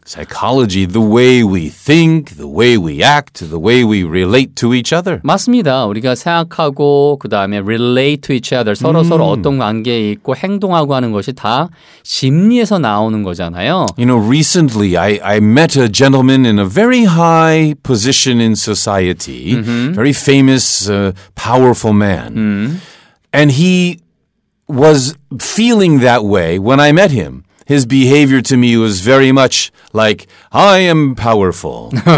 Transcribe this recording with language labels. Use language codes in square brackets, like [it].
[en] Psychology, the way we think, the way we act, the way we relate to each other. [ko] 맞습니다. 우리가 생각하고 그다음에 [en] relate to each other. [ko] 서로 서로 어떤 관계에 있고 행동하고 하는 것이 다 심리에서 나오는 거잖아요. [en] You know, recently I met a gentleman in a very high position in society. Very famous, powerful man. And he was feeling that way when I met him. His behavior to me was very much like, I am powerful.